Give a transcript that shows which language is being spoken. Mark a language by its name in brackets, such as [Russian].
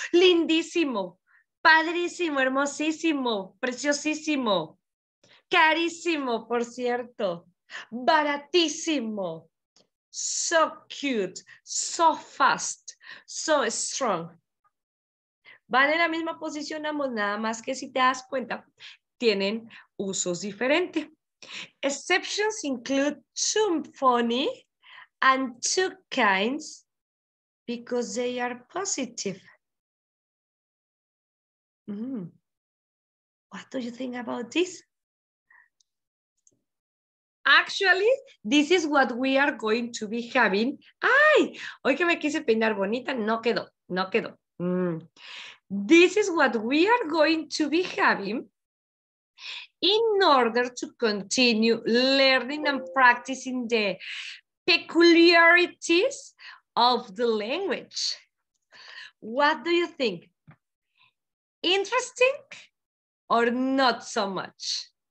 [Spanish] Lindísimo, padrísimo, hermosísimo, preciosísimo, carísimo, por cierto. Baratísimo, [English] so cute, so fast, so strong. [Spanish] Van en la misma posición ambos, nada más que si te das cuenta, tienen usos diferentes. [English] Exceptions include too funny and too kind because they are positive. What do you think about this? Actually, this is what we are going to be having. ¡Ay! [Spanish] Hoy que me quise peinar bonita, no quedó. [English] This is what we are going to be having in order to continue learning and practicing the peculiarities of the language. What do you think? Interesting or not so much?